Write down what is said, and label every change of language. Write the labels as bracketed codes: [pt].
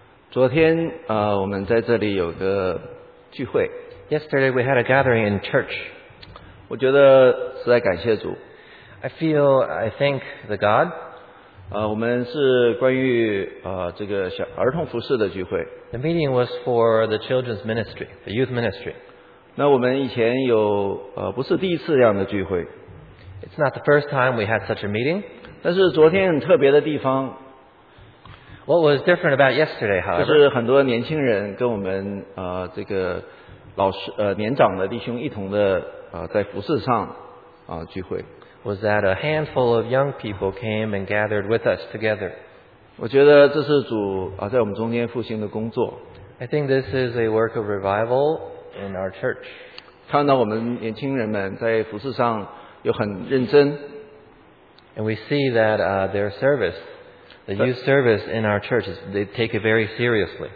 [zh] 昨天我们在这里有个聚会。 [en] Yesterday we had a gathering in church. [zh] 我觉得实在感谢主。 [en] I thank the God. [zh] 我们是关于这个小儿童服事的聚会。 [en] The meeting was for the children's ministry, the youth ministry. [zh] 那我们以前有不是第一次这样的聚会。 [en] It's not the first time we had such a meeting. [zh] 但是昨天很特别的地方。 [en] What was different about yesterday, however? [zh] 就是很多年轻人跟我们这个老师年长的弟兄一同的在服事上聚会。 [en] Was that a handful of young people came and gathered with us together? [zh] 我觉得这是主在我们中间复兴的工作。 [en] I think this is a work of revival in our church. [zh] 看到我们年轻人们在服事上有很认真。 [en] And we see that their service,The youth service in our churches, they take it very seriously.